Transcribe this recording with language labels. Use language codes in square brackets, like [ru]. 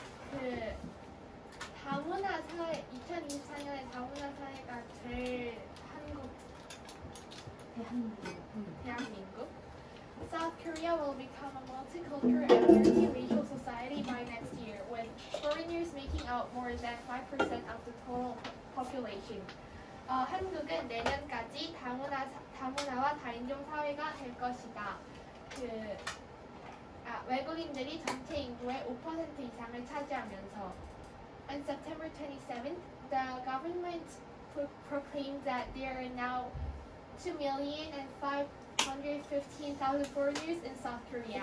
[ko] 그 다문화 사회 2024년에 다문화 사회가 제일 한국 대한민국. [en] South Korea will become a multicultural and multiracial society by next year, with foreigners making up more than 5% of the total population. [ko] 한국은 내년까지 다문화와 다인종 사회가 될 것이다. 외국인들이 전체 인구의 5% 이상을 차지하면서. [en] On September 27th, the government proclaimed that there are now 2,515,000 foreigners in South Korea.